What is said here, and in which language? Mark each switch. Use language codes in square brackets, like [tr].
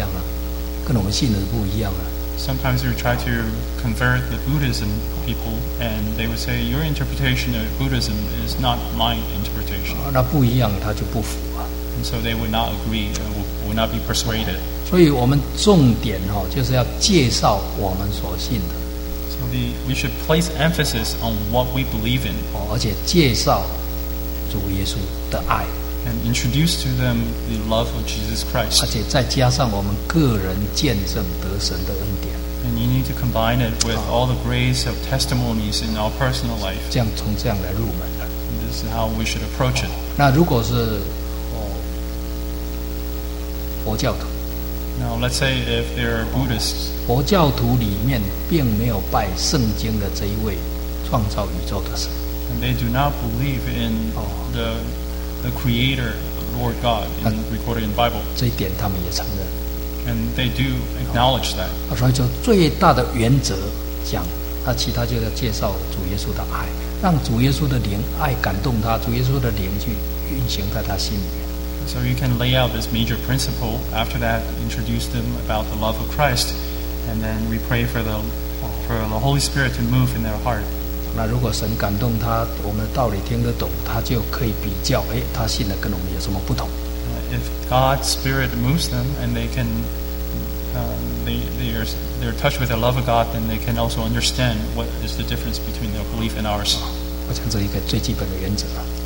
[zh] 有时候我们在解释佛教徒，我们要比较佛教跟基督教有什么不同。那佛教徒听了说，你解释的跟我们不一样啊，跟我们信的不一样啊。 [en] Sometimes we try to convert the Buddhism people, and they would say, "Your interpretation of Buddhism is not my interpretation." [zh] 那不一样，他就不服啊。 [en] And so they would not agree, would not be persuaded. [zh] 所以我们重点就是要介绍我们所信的。 [en] So we should place emphasis on what we believe in. [zh] 而且介绍主耶稣的爱。 [en] and introduce to them the love of Jesus Christ. [zh] 而且再加上我们个人见证得神的恩典。 [en] And you need to combine it with all the grace of testimonies in our personal life. [zh] 这样从这样来入门的。 [en] This is how we should approach it. [zh] 那如果是佛教徒。 [en] Now let's say if they are Buddhists. [zh] 佛教徒里面并没有拜圣经的这一位创造宇宙的神。 [en] And they do not believe in the Creator, the Lord God, in, recorded in the Bible. [zh] 这一点他们也承认。 [en] And they do acknowledge that. [zh] 所以就最大的原则讲，那其他就要介绍主耶稣的爱，让主耶稣的灵爱感动他，主耶稣的灵去运行在他心里面。 [en] So you can lay out this major principle. After that, introduce them about the love of Christ, and then we pray for the Holy Spirit to move in their heart. [zh] 那如果神感动他，我们的道理听得懂，他就可以比较，哎，他信的跟我们有什么不同 [en] ？If God's Spirit moves them and they can, they're touched with the love of God, then they can also understand what is the difference between their belief and ours. [zh] 我想这一个最基本的原则啊。